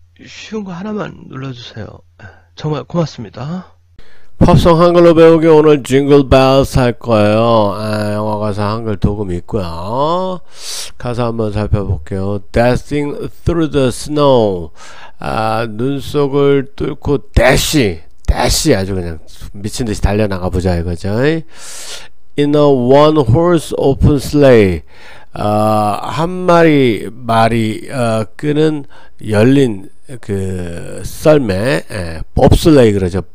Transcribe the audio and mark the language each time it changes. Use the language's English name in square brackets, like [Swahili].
[Korean] 쉬운 거 하나만 눌러주세요. 정말 고맙습니다. 팝송 한글로 배우기 오늘 징글벨스 할 거예요. 아, 영어 가사 한글 도금 있고요. 가사 한번 살펴볼게요. [English] Dashing through the snow. [Korean] 아, 눈 속을 뚫고 dash. dash 아주 그냥 미친 듯이 달려나가 보자 이거죠. [English] In a one horse open sleigh. [Korean] 한 마리 말이 끄는 열린 그 썰매, 예, 봅슬레이 그러죠.